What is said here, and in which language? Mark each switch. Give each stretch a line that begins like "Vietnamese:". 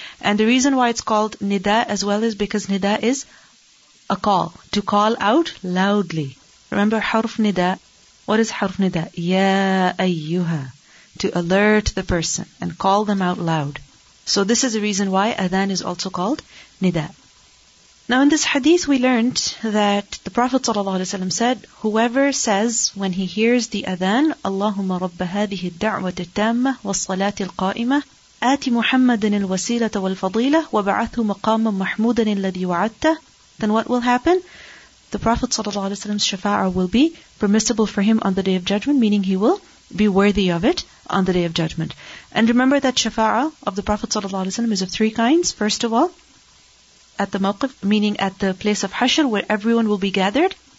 English: And the reason why it's called nida as well is because nida is a call, to call out loudly. Remember harf nida. What is harf nida? Ya ayyuha. To alert the person and call them out loud. So this is the reason why adhan is also called nida. Now in this hadith we learned that the Prophet ﷺ said, whoever says when he hears the adhan,
Arabic: اللهم رب هذه الدعوة التامة والصلاة القائمة آت محمد الوسيلة والفضيلة وبعثه مقاما محمودا الذي وعدته,
English: then what will happen? The Prophet ﷺ's shafa'a will be permissible for him on the Day of Judgment, meaning he will be worthy of it on the Day of Judgment. And remember that shafa'a of the Prophet ﷺ is of three kinds. First of all, at the mawqif, meaning at the place of hashr, where everyone will be gathered.